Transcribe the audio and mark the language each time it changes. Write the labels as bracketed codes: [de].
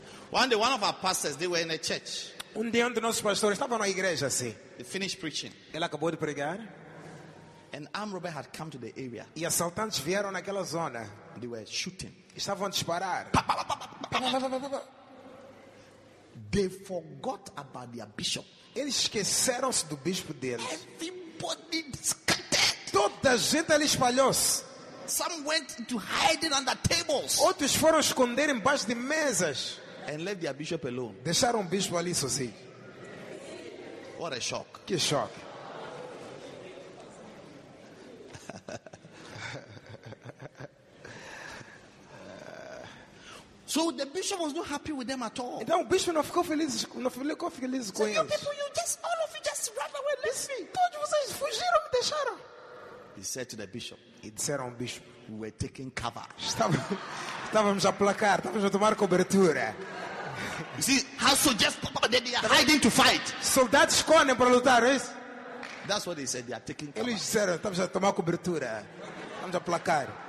[en] One day, one of our pastors, they were in a church. [pt] Um dia, um dos nossos pastores estava na igreja, sim. [en] They finished preaching. [pt] Ele acabou de pregar. [en] And armed robbers had come to the area. [pt] E assaltantes vieram naquela zona. [en] They were shooting. [pt] Estavam a disparar. [en] They forgot about their bishop. [pt] Eles esqueceram-se do bispo deles. [en] Everybody scattered. [pt] Toda a gente ali espalhou-se. [en] Some went to hiding under tables. [pt] Outros foram esconder embaixo de mesas. [en] And left their bishop alone. [pt] Deixaram o bispo ali sozinho. [en] What a shock. [pt] Que choque. [en] So the bishop was not happy with them at all. [pt] Então o bispo não ficou feliz, com eles. [en] So you people, you just all of you just ran away, left me. [pt] Todos vocês fugiram, me deixaram. [en] He said to the bishop. [pt] E disseram ao bispo, [en] we were taking cover. [pt] Estávamos a placar, estávamos a tomar cobertura. [en] You see, how so just they are hiding to fight. [pt] Soldados escondem para lutar, isso. [en] That's what they said. They are taking cover. [pt] Eles disseram, estávamos a tomar cobertura, estávamos a placar.